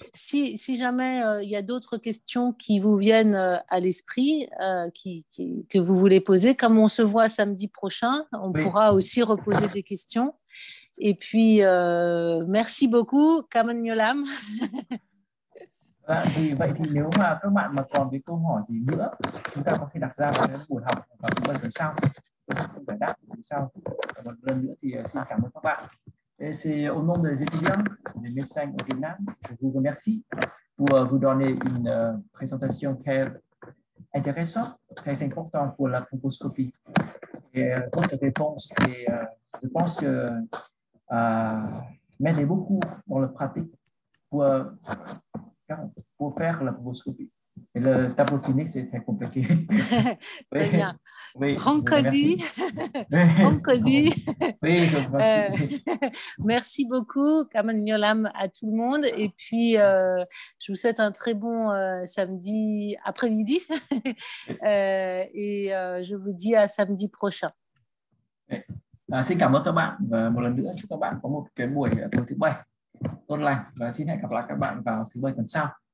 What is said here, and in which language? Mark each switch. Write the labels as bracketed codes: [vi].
[fr] Si jamais il y a d'autres questions qui vous viennent à l'esprit, que vous voulez poser, comme on se voit samedi prochain, on pourra aussi reposer des questions. Et puis, merci beaucoup, Kamon Nyolam. [vi] Vậy thì nếu mà các bạn mà còn cái câu hỏi gì nữa, chúng ta có thể đặt ra vào cái buổi học và một lần sau. Không phải đáp gì sau. Một lần nữa thì xin cảm ơn các bạn. [fr] Et c'est au nom des étudiants, des médecins au Vietnam, je vous remercie pour vous donner une présentation très intéressante, très importante pour la bronchoscopie. Et votre réponse, et, je pense que m'aider beaucoup dans la pratique pour faire la bronchoscopie. Et le tableau clinique, c'est très compliqué. Très bien. Oui, Rancosi. Rancosi. Oui, je vous remercie. Merci beaucoup, Kamon Nyolam, à tout le monde. Et puis, je vous souhaite un très bon samedi après-midi. je vous dis à samedi prochain. [vi] Xin cảm ơn các bạn và một lần nữa chúc các bạn có một cái buổi tối thứ bảy tốt lành và xin hẹn gặp lại các bạn vào thứ bảy tuần sau.